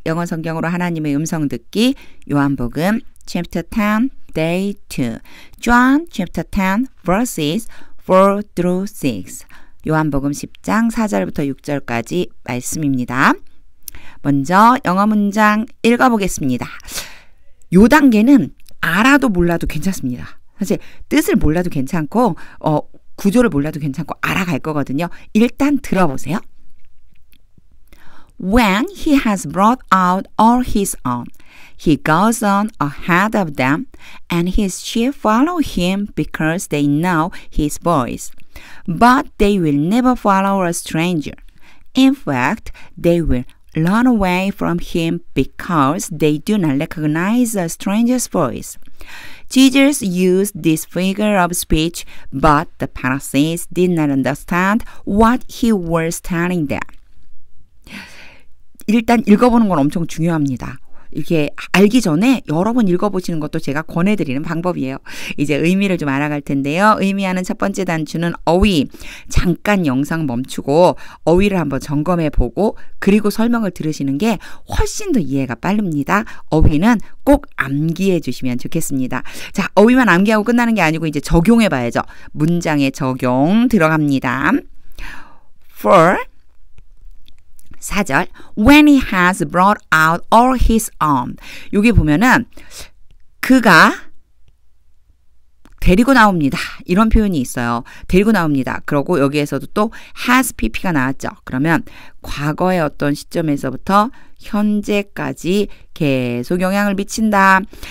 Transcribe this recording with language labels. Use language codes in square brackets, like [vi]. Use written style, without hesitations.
[ko] 영어 성경으로 하나님의 음성 듣기 요한복음 [en] chapter 10 day 2 John chapter 10 verses 4 through 6 [ko] 요한복음 10장 4절부터 6절까지 말씀입니다. 먼저 영어 문장 읽어보겠습니다. 요 단계는 알아도 몰라도 괜찮습니다. 사실 뜻을 몰라도 괜찮고 구조를 몰라도 괜찮고 알아갈 거거든요. 일단 들어보세요. [en] When he has brought out all his own, he goes on ahead of them, and his sheep follow him because they know his voice. But they will never follow a stranger. In fact, they will run away from him because they do not recognize a stranger's voice. Jesus used this figure of speech, but the Pharisees did not understand what he was telling them. [ko] 일단 읽어보는 건 엄청 중요합니다. 이렇게 알기 전에 여러 번 읽어보시는 것도 제가 권해드리는 방법이에요. 이제 의미를 좀 알아갈 텐데요. 의미하는 첫 번째 단추는 어휘. 잠깐 영상 멈추고 어휘를 한번 점검해보고 그리고 설명을 들으시는 게 훨씬 더 이해가 빠릅니다. 어휘는 꼭 암기해 주시면 좋겠습니다. 자, 어휘만 암기하고 끝나는 게 아니고 이제 적용해봐야죠. 문장에 적용 들어갑니다. For 4절, [en] when he has brought out all his own. [ko] 여기 보면은 그가 데리고 나옵니다. 이런 표현이 있어요. 데리고 나옵니다. 그리고 여기에서도 또 [en] has pp [ko] 가 나왔죠. 그러면 과거의 어떤 시점에서부터 현재까지 계속 영향을 미친다.